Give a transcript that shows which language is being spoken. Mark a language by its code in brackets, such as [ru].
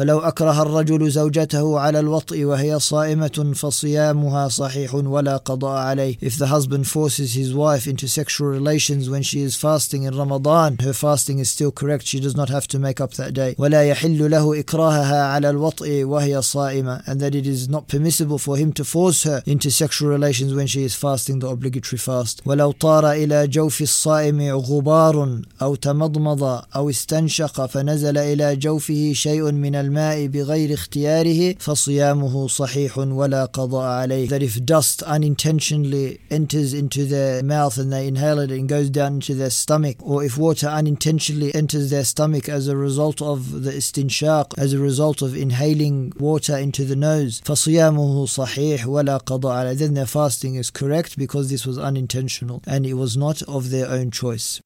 [ar] فلو أكره الرجل زوجته على الوطء وهي صائمة فصيامها صحيح ولا قضاء عليه. [en] If the husband forces his wife into sexual relations when she is fasting in Ramadan, her fasting is still correct, she does not have to make up that day. [ar] ولا يحل له إكراهها على الوطء وهي صائمة, [en] and that it is not permissible for him to force her into sexual relations when she is fasting the obligatory fast. [ar] ولو طار إلى جوف الصائم غبار أو تمضمض أو استنشق فنزل إلى جوفه شيء من الماء بغير اختياره فصيامه صحيح ولا قضاء عليه. [en] That if dust unintentionally enters into their mouth and they inhale it and goes down into their stomach, or if water unintentionally enters their stomach as a result of the استنشاق, as a result of inhaling water into the nose, [ar] فصيامه صحيح ولا قضاء عليه, [en] then their fasting is correct because this was unintentional and it was not of their own choice.